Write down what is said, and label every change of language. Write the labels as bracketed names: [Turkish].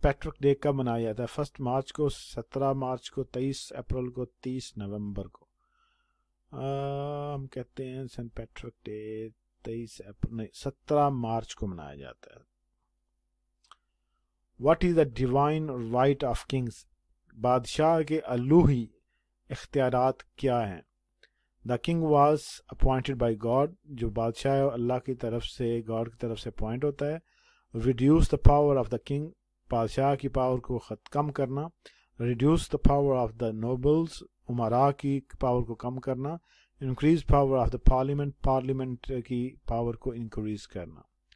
[Hindi] Patrick's Day कब मनाया जाता है? 1 मार्च को, 17 मार्च को, 23 अप्रैल को, 30 नवंबर को? हम कहते हैं St. Patrick's Day 17 मार्च को मनाया जाता है। [English] What is the divine right of kings? [Hindi] बादशाह के अलूही इख्तियारात क्या हैं? [English] The king was appointed by God. [Hindi] जो बादशाह है अल्लाह की तरफ से, गॉड की तरफ से अपॉइंट होता है। [English] reduce the power of the king, [Hindi] बादशाह की पावर को कम करना। [English] reduce the power of the nobles, [Hindi] उमरा की पावर को कम करना। [English] increase power of the parliament, [Hindi] parliament की पावर को इंक्रीज करना।